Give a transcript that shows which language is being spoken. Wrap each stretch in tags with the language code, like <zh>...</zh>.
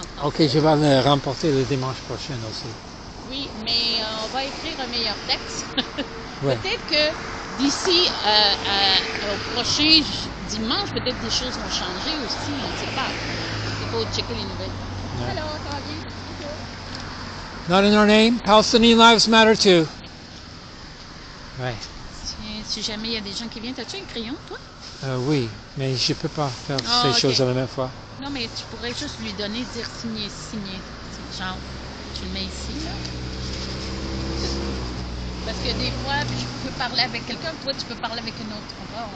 <fr>ok, je vais le remporter le dimanche prochain aussi. Oui, mais on va écrire un meilleur texte. Ouais. Peut-être que d'ici au prochain... dimanche, peut-être des choses vont changer aussi, on ne sait pas. Il faut checker les nouvelles.</fr> <en>Yeah.</en> <fr>Hello, ça va bien?</fr> <en>Not in our name, Palestinian lives matter too. Right.</en> <fr>Si jamais il y a des gens qui viennent, as-tu un crayon, toi? Oui, mais je ne peux pas faire ces choses à la même fois. Non, mais tu pourrais juste lui donner, dire signer. Genre, tu le mets ici, là. Parce que des fois, je peux parler avec quelqu'un, toi tu peux parler avec un autre.</fr>